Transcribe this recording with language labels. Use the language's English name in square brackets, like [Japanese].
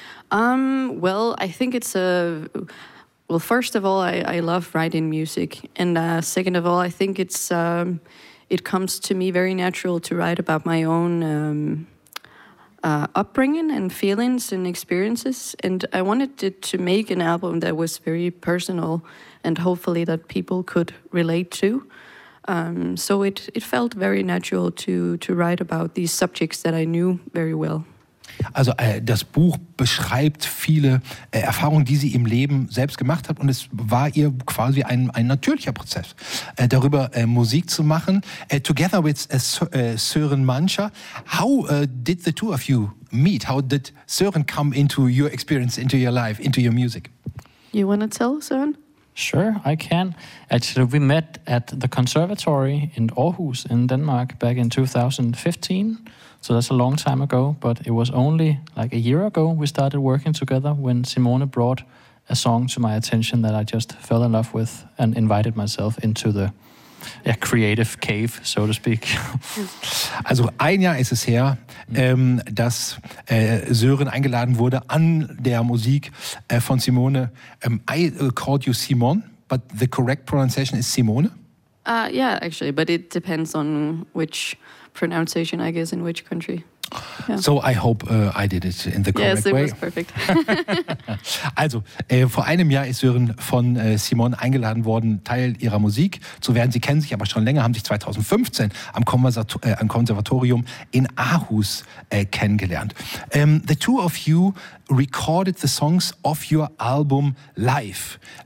[English] First of all, I love writing music, and second of all, I think it's it comes to me very natural to write about my own upbringing and feelings and experiences, and I wanted to make an album that was very personal and hopefully that people could relate to. So it felt very natural to write about these subjects that I knew very well. [German] Also das Buch beschreibt viele Erfahrungen, die sie im Leben selbst gemacht hat, und es war ihr quasi ein natürlicher Prozess, darüber Musik zu machen. [English] Together with Søren Mancher, how did the two of you meet? How did Søren come into your experience, into your life, into your music? You want to tell, Søren? Sure, I can. Actually, we met at the conservatory in Aarhus in Denmark back in 2015. So that's a long time ago, but it was only like a year ago we started working together when Simone brought a song to my attention that I just fell in love with and invited myself into the creative cave, so to speak. [German] Also ein Jahr ist es her, dass Søren eingeladen wurde an der Musik von Simone. [English] I called you Simon, but the correct pronunciation is Simone? Yeah, actually, but it depends on which pronunciation, I guess, in which country. Yeah. So I hope I did it in the correct way. Yes, it was perfect. [German] Also, vor einem Jahr ist Søren von Simon eingeladen worden, Teil ihrer Musik zu werden. Sie kennen sich aber schon länger, haben sich 2015 am Konservatorium in Aarhus kennengelernt. [English] The two of you recorded the songs of your album live.